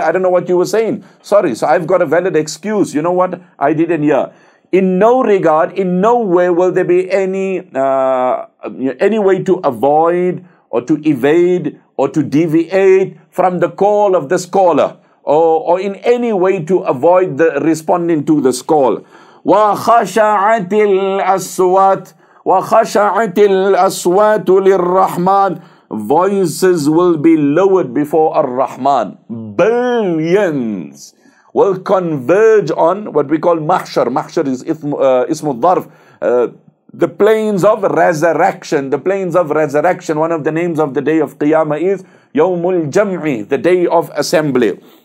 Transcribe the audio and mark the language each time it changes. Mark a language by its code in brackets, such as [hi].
[en] I don't know what you were saying. Sorry. So I've got a valid excuse. You know what? I didn't hear. In no regard, in no way will there be any way to avoid or to evade or to deviate from the call of this caller, or in any way to avoid the responding to this call. [ar] وخشعت الأصوات وخشعت الأصوات للرحمن. [en] Voices will be lowered before Ar-Rahman. Billions will converge on what we call mahshar. Mahshar is ismu dharf. The plains of resurrection. The plains of resurrection. One of the names of the day of Qiyamah is Yawmul Jam'i, the day of assembly.